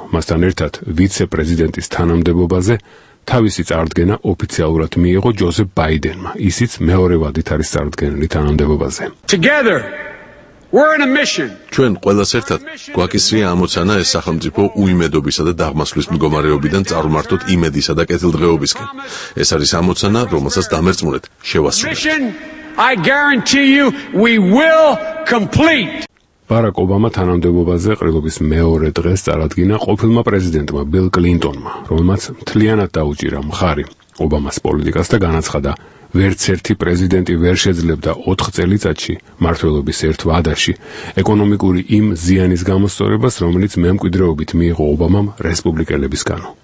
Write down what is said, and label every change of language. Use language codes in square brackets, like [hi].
[ka] მასთან ერთად ვიცე-პრეზიდენტის თანამდებობაზე თავისი წარდგენა ოფიციალურად მიიღო ჯოზეფ ბაიდენმა, ისიც მეორე ვადით არის წარდგენილი თანამდებობაზე. ჩვენ ყველას ერთად გვაკისრია ამოცანა ეს სახელმწიფო უიმედობისა და დაღმასვლის მდგომარეობიდან წარმართოთ იმედისა და კეთილდღეობისკენ. ეს არის ამოცანა, რომელსაც დამერწმუნეთ, შევასრულებთ. [en] I guarantee you we will complete. [ka] Barack Obama თანამდებობაზე ყრილობის მეორე დღეს წარადგინა ყოფილმა პრეზიდენტმა ბილ კლინტონმა, რომელმაც მთლიანად დაუჭირა მხარი ობამას პოლიტიკას და განაცხადა, ვერც ერთი პრეზიდენტი ვერ შეძლებდა 4 წელიწადში მართველობის ერთ ვადაში ეკონომიკური იმ ზიანის გამოსწორებას, რომელიც მემკვიდრეობით მიიღო ობამამ რესპუბლიკელებისგან.